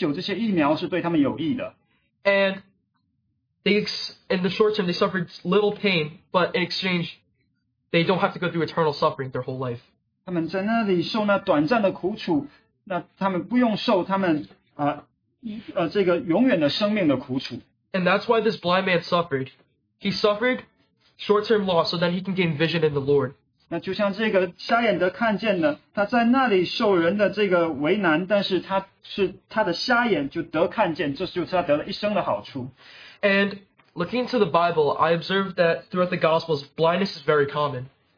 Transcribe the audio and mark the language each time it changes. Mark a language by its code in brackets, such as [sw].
[zh] 因为他们是那个时候，他们这样在那里哭，但是对了他们一生之久，这些疫苗是对他们有益的。 [en] And In the short term, they suffered little pain, but in exchange, they don't have to go through eternal suffering their whole life. [zh] 他们在那里受那短暂的苦楚，那他们不用受他们这个永远的生命的苦楚。 [en] And that's why this blind man suffered. He suffered short-term loss so that he can gain vision in the Lord. [zh] 那就像这个瞎眼的看见呢，他在那里受人的这个为难，但是他的瞎眼就得看见，这就是他得了一生的好处。 [en] And looking into the Bible, I observed that throughout the Gospels, blindness is very common.